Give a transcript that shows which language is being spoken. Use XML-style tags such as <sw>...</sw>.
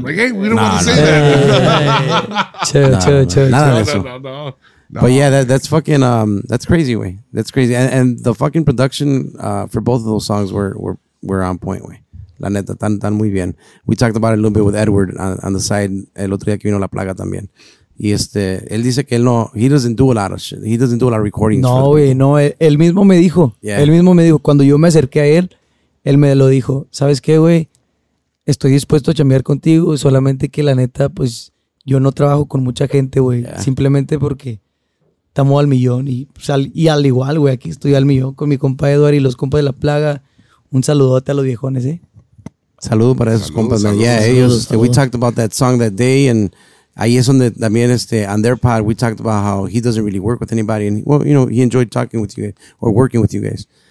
<en>I'm like, hey, we don't want to say that. No. But yeah, that's fucking, that's crazy, way. That's crazy. And the fucking production for both of those songs were on point, way.</en> <es>La neta, tan muy bien.</es> <en>We talked about it a little bit with Edward on the side.</en> <es>El otro día que vino La Plaga también. Y él dice que él no,</es> <en>he doesn't do a lot of shit. He doesn't do a lot of recordings.</en> <es>No, güey, no. Él mismo me dijo. Yeah. Él mismo me dijo. Cuando yo me acerqué a él, él me lo dijo. ¿Sabes qué, güey? Estoy dispuesto a chambear contigo. Solamente que la neta, pues, yo no trabajo con mucha gente, güey. Yeah. Simplemente porque estamos al millón. Y al igual, güey, aquí estoy al millón con mi compa Eduardo y los compas de La Plaga. Un saludote a los viejones, ¿eh? Saludo para esos compas.</es> <en>We talked about that song that day and...</en> <es>Ahí es donde también</es> <en>on their pod, we talked about how he doesn't really work with anybody. And, well, you know, he enjoyed talking with you guys or working with you guys.</en>